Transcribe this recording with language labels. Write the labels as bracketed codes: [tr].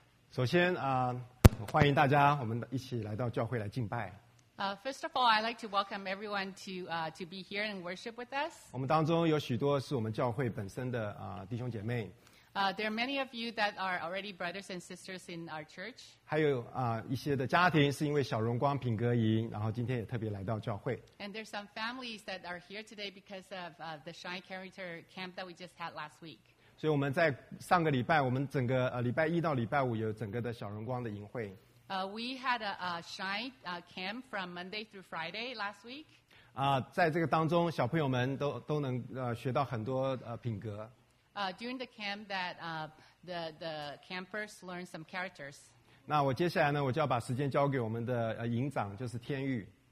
[zh] 首先啊，欢迎大家，我们一起来到教会来敬拜。 [en] First of all, I'd like to welcome everyone to be here and worship with us. [zh] 我们当中有许多是我们教会本身的啊弟兄姐妹。 [en] There are many of you that are already brothers and sisters in our church. [zh] 还有啊一些的家庭是因为小荣光、品格营，然后今天也特别来到教会。 [en] And there's some families that are here today because of the Shine Character Camp that we just had last week. [zh] 所以我们在上个礼拜，我们整个礼拜一到礼拜五有整个的小荣光的营会。 [en] We had a shine camp from Monday through Friday last week. [zh] 在这个当中，小朋友们都能学到很多品格。 [en] During the camp, that the campers learned some characters. [zh] 那我接下来呢，我就要把时间交给我们的营长，就是天玉。